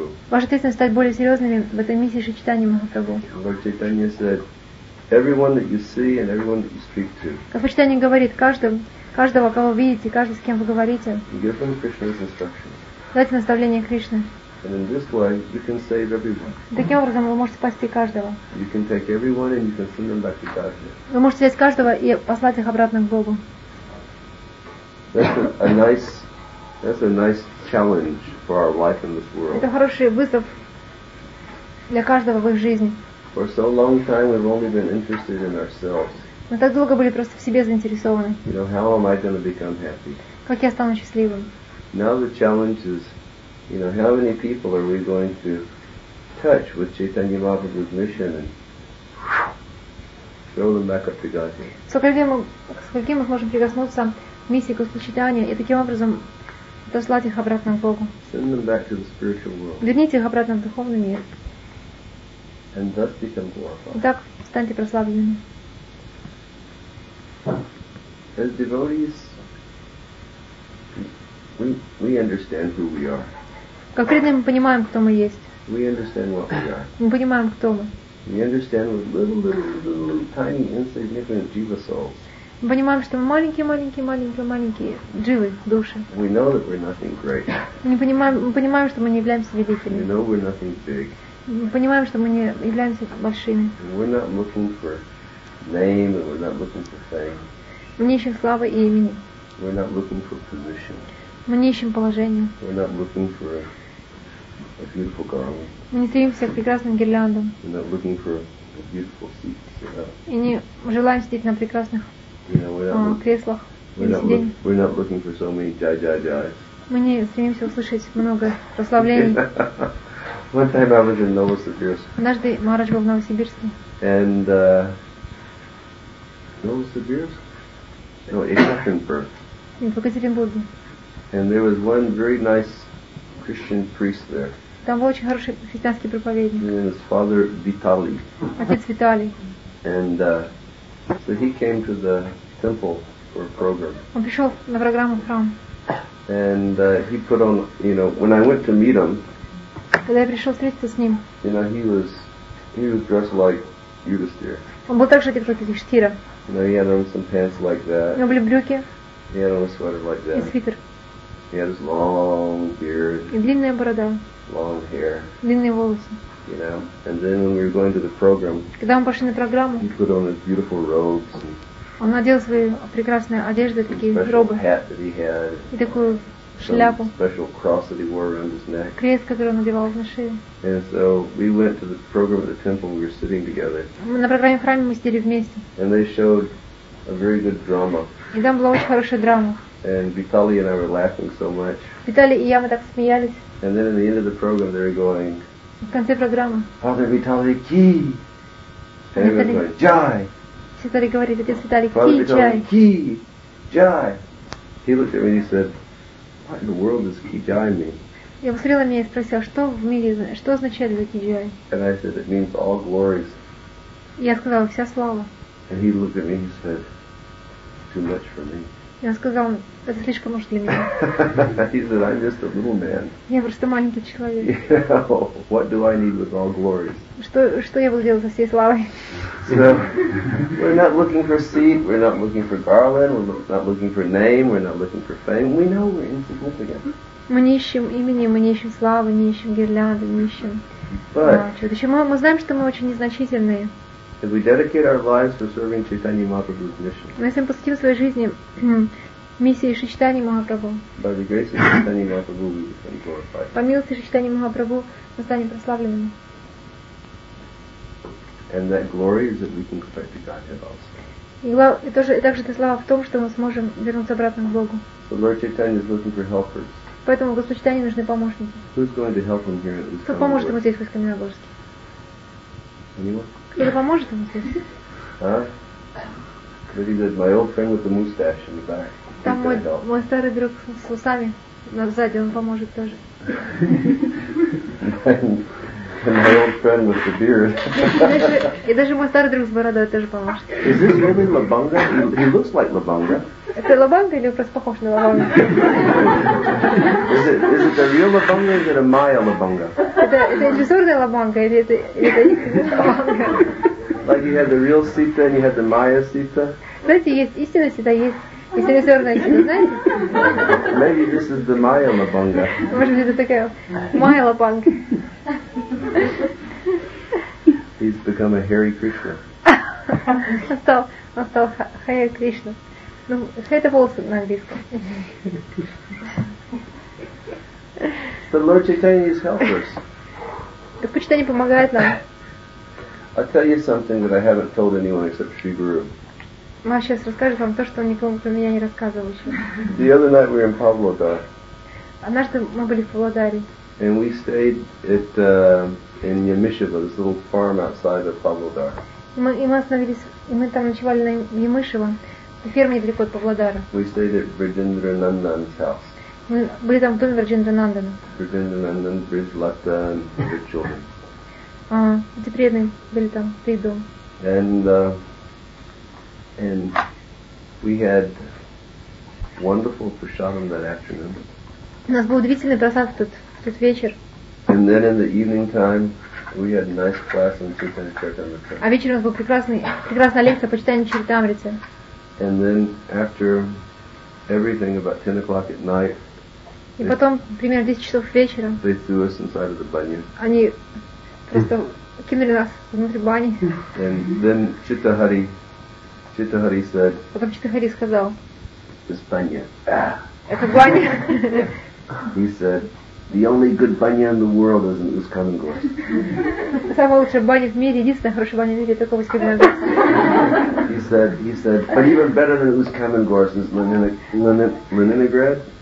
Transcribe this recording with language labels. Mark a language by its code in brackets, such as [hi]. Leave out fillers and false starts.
[ru] Ваша ответственность стать более серьезными в этой миссии Шри Чайтаньи Махапрабху. [en] Lord Chaitanya said, everyone that you see and everyone that you speak to. [ru] Как Шри Чайтаньи говорит, каждого, кого видите, каждый, с кем вы говорите. [en] Give them Krishna's instructions. [ru] Дайте наставление Кришны. [en] And in this way, you can save everyone. [ru] Таким образом, вы можете спасти каждого. [en] You can take everyone and you can send them back to Godhead. [ru] Вы можете взять каждого и послать их обратно к Богу. [en] That's a nice challenge for our life in this world. [ru] Это хороший вызов для каждого в их жизни. [en] For so long time, we've only been interested in ourselves. [ru] Мы так долго были просто в себе заинтересованы. [en] You know, how am I going to become happy? [ru] Как я стану счастливым? [en] Now the challenge is, you know, how many people are we going to touch with Chaitanya Mahaprabhu's mission and throw them back up to Godhead? [ru] Сколько мы можем прикоснуться к миссии Господа Чайтаньи и таким образом дослать их обратно к Богу? [en] Send them back to the spiritual world. [ru] Верните их обратно в духовный мир. [en] And thus become glorified. [ru] И так станьте прославленными. [en] As devotees, we understand who we are. [ru] Как преданные мы понимаем, кто мы есть. [en] We understand what we are. [ru] Мы понимаем, кто мы. [en] We understand what little tiny insignificant jiva souls. [ru] Мы понимаем, что мы маленькие дживы, души. [en] We know that we're nothing great. [ru] Мы понимаем, что мы не являемся великими. [en] We know we're nothing big. [ru] Мы понимаем, что мы не являемся большими. [en] We're not looking for name, and we're not looking for fame. [ru] Мы не ищем славы и имени. [en] We're not looking for position. [ru] Мы не ищем положения. [en] We're not looking for a beautiful garland. [ru] Мы не стремимся к прекрасным гирляндам. [en] We're not looking for a beautiful seat. [ru] И не желаем сидеть на прекрасных креслах. [en] We're not looking for so many jai-jai-jais. [ru] Мы не стремимся услышать много прославлений. [en] One time I was in Novosibirsk. [ru] Однажды Махарадж был в Новосибирске. [en] And Novosibirsk? No, Ekaterinburg. [ru] В Екатеринбурге. [en] And there was one very nice Christian priest there. [ru] Там был очень хороший христианский проповедник. [en] His name was Father Vitali. [ru] Отец Виталий. [en] And so he came to the temple for a program. [ru] Он пришел на программу в храм. [en] And he put on, you know, when I went to meet him. [ru] Когда я пришел встретиться с ним. [en] You know, he was dressed like Yudhisthira. [ru] Он был также одет как Юдистира. [en] You know, he had on some pants like that. [ru] У него были брюки. [en] He had on a sweater like that. [ru] И свитер. [en] He had his long beard. [ru] И длинная борода. [en] Long hair. [ru] Длинные волосы. [en] You know, and then when we were going to the program. [ru] Когда мы пошли на программу. [en] He put on his beautiful robes. [ru] Он надел свои прекрасные одежды, такие робы. [en] Hat that he had. [ru] И такую шляпу. [en] Special cross that he wore around his neck. [ru] Крест, который он надевал на шею. [en] And so we went to the program at the temple. We were sitting together. [ru] На программе в храме мы сидели вместе. [en] And they showed a very good drama. [ru] И там была очень хорошая драма. [en] And Vitali and I were laughing so much. [ru] Vitali и я, мы так смеялись. [en] And then at the end of the program, they were going. [ru] В конце программы. [en] Father Vitali, ki. And they were going, jai. [ru] Все стали говорить, отец Vitali, [hi] ki, jai. Ki, jai. [en] He looked at me and he said, what in the world does ki jai mean? [ru] Я посмотрела на меня и спросила, что в мире, что означает [hi] ki jai? [en] And I said, it means all glories. [ru] Я сказала, вся слава. [en] And he looked at me and he said, too much for me. [ru] И он сказал, это слишком уж для меня. [en] He said, I'm just a little man. [ru] Я просто маленький человек. [en] Yeah. What do I need with all glories? [ru] Что я буду делать со всей славой? [en] So, we're not looking for seat, we're not looking for garland, we're not looking for name, we're not looking for fame. We know we're insignificant. [ru] Мы не ищем имени, мы не ищем славы, не ищем гирлянды, не ищем чудища. Мы знаем, что мы очень незначительные. [en] If we dedicate our lives to serving Chaitanya Mahaprabhu's mission. [ru] Мы всем посвятим свою жизнь миссии Шри Чайтаньи Махапрабху. [en] By the grace of Chaitanya Mahaprabhu, we will be glorified. [ru] По милости Шри Чайтаньи Махапрабху, мы станем прославленными. [en] And that glory is that we can come back to Godhead also. [ru] И также эта слава в том, что мы сможем вернуться обратно к Богу. [en] So Lord Chaitanya is looking for helpers. [ru] Поэтому Господу Чайтанье нужны помощники. [en] Who's going to help him here at [ru] Кто поможет ему здесь в Каменногорске? Кто поможет ему здесь? А? Видите, [en] my old friend with the mustache in the back. [ru] Там мой старый друг с усами сзади, он поможет тоже. [en] And my old friend with the beard. [ru] И даже мой старый друг с бородой тоже поможет. [en] Is this really Lobanga? He looks like Lobanga. [ru] Это Лобанга или просто похож на Лобанга? [en] Is it a real Lobanga or is it a Maya Lobanga? [ru] Это иллюзорная Лобанга или это Лобанга? [en] Like you had the real Sita and you had the Maya Sita? [ru] Знаете, есть истинная Сита, есть Если не твердое тело, знаете? [en] Maybe this is the Майла Банга. [ru] Может быть, это такая Майла Банга. [en] He's become a Hare Krishna. [ru] Он стал Hare Krishna. Ну, это волосы на английском. [en] The Lord Chaitanya's helpers. [ru] Господь Чайтанья помогает нам. [en] I'll tell you something that I haven't told anyone except Sri Guru. [ru] Ма сейчас расскажет вам то, что он никому про меня не рассказывал еще. [en] The other night we were in Pavlodar. [ru] Однажды мы были в Павлодаре. [en] And we stayed at in Yemishiva, this little farm outside of Pavlodar. [ru] Мы остановились, и мы там ночевали на Yemishiva, на ферме недалеко от Павлодара. [en] We stayed at Vrijendranandan's house. [ru] Мы были там в доме Вриджиндранандана. Вриджиндранандан, Бриджлата и Бриджчолин. Эти преданные были там, три дома. [en] And we had wonderful prasadam that afternoon. [ru] У нас был удивительный просад в тот вечер. [en] And then in the evening time, we had a nice class on Chaitanya Charitamrita. [ru] А вечером у нас была прекрасная лекция по Чайтанья Чаритамрите. [en] And then after everything, about 10 o'clock at night, [ru] и потом, примерно 10 часов вечера, [en] they threw us inside of the bunya. [ru] Они просто кинули нас внутрь бани. [en] And then Читахари said, [ru] потом Читахари сказал, [en] this bunya. [ru] Это баня. [en] He said, the only good bunya in the world is in Uskamangos. [ru] Самая лучшая баня в мире, единственная хорошая баня в мире, только в Uskamangos. [en] He said, but even better than Uskamangos is Leningrad.